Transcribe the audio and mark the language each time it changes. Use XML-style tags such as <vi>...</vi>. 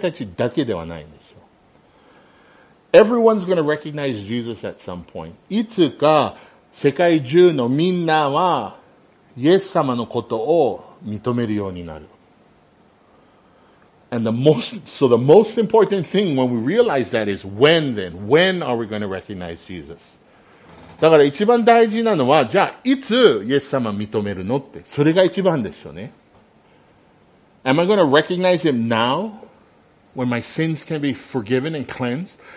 <ja>聖書に書いてあるのはね、すべての膝は主に向かってかがめられ、すべての舌は神に告白するって書いてある。すべて。信者たちだけではないんですよ。</ja> <en>Everyone's going to recognize Jesus at some point.</en> <ja>いつか世界中のみんなはイエス様のことを認めるようになる。</ja> <en>And the most, so the most important thing when we realize that is when then? When are we going to recognize Jesus?</en> <ja>だから一番大事なのは、じゃあ、いつイエス様認めるのって。それが一番でしょうね。</ja> <en>Am I going to recognize him now? When my sins can be forgiven and cleansed?</en>